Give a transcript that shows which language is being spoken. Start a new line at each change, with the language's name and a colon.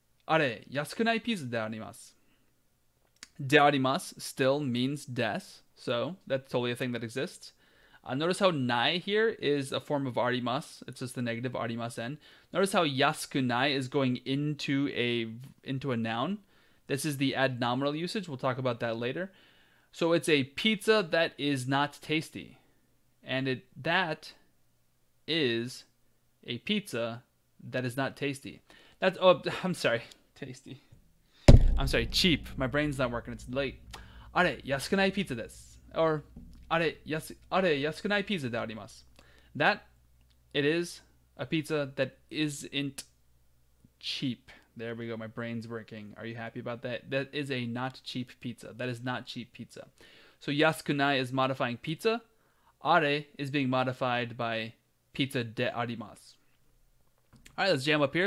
Japanese: あれ、安くないピザであります。
English: であります still means des, so that's totally a thing that exists. Notice how ない here is a form of arimas. It's just the negative arimasen. Notice how 安くない is going into a noun. This is the ad nominal usage. We'll talk about that later. So it's a pizza that is not tasty. And that is a pizza that is not tasty. Cheap. My brain's not working. It's late.
Japanese: あれ、安くないピザです。Or, あれ、安くないピザであります。
English: That, it is a pizza that isn't cheap. There we go. My brain's working. Are you happy about that? That is a not cheap pizza. That is not cheap pizza. So, 安くない is modifying pizza. あれ is being modified by pizza であります。All right, let's jam up here.